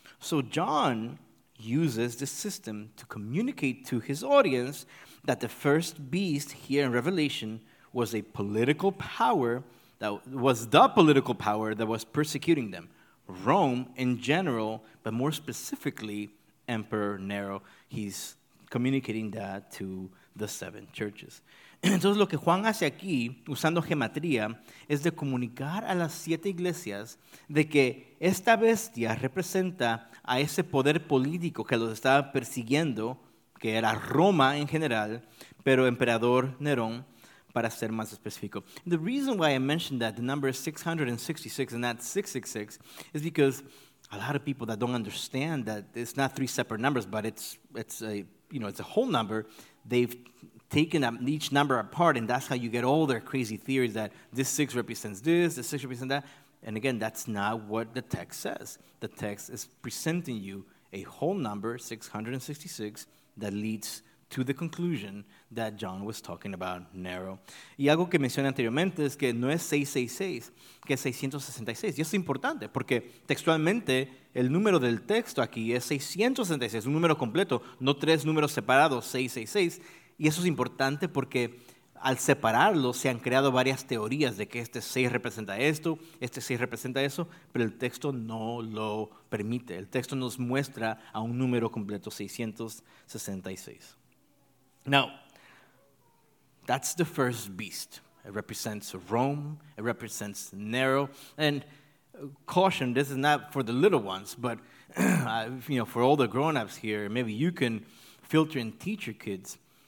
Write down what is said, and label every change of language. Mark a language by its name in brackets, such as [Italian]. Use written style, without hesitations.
[English] So John uses this system to communicate to his audience that the first beast here in Revelation was a political power, that was the political power that was persecuting them. Rome in general, but more specifically, Emperor Nero. He's communicating that to the seven churches. [Spanish] Entonces, lo que Juan hace aquí, usando gematría, es de comunicar a las siete iglesias de que esta bestia representa a ese poder político que los estaba persiguiendo, que era Roma en general, pero emperador Nerón, para ser más específico. [English] The reason why I mentioned that the number is 666 and not 666 is because a lot of people that don't understand that it's not three separate numbers, but it's a whole number, they've taken each number apart, and that's how you get all their crazy theories that this six represents this, this six represents that. And again, that's not what the text says. The text is presenting you a whole number, 666, that leads to the conclusion that John was talking about Nero. [Spanish] Y algo que mencioné anteriormente es que no es 666, que es 666. Y eso es importante porque textualmente el número del texto aquí es 666, un número completo, no tres números separados, 666. Y eso es importante porque al separarlo se han creado varias teorías de que este 6 representa esto, este 6 representa eso, pero el texto no lo permite. El texto nos muestra a un número completo, 666. [English] Now, that's the first beast. It represents Rome. It represents Nero. And caution, this is not for the little ones, but for all the grown-ups here, maybe you can filter and teach your kids.